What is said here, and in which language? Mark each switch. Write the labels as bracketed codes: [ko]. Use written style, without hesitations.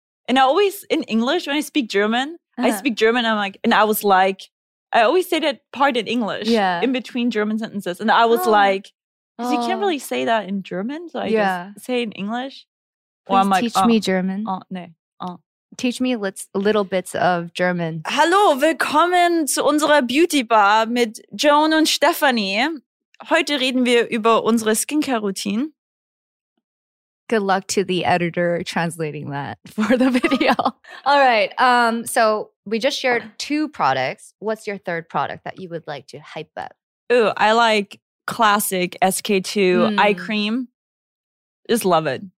[en] And I always… In English, when I speak German, I speak German. I'm like… And I was like… I always say that part in English. Yeah. In between German sentences. And I was like… Because you can't really say that in German. So I just say in English. Please teach me German. Oh, [ko] 네. [en] Teach me little bits of German. [de] Hallo, willkommen zu unserer Beauty Bar mit Joan und Stephanie. Heute reden wir über unsere Skincare Routine. [en] Good luck to the editor translating that for the video. All right. So we just shared two products. What's your third product that you would like to hype up? Ooh, I like classic SK-II eye cream. Just love it.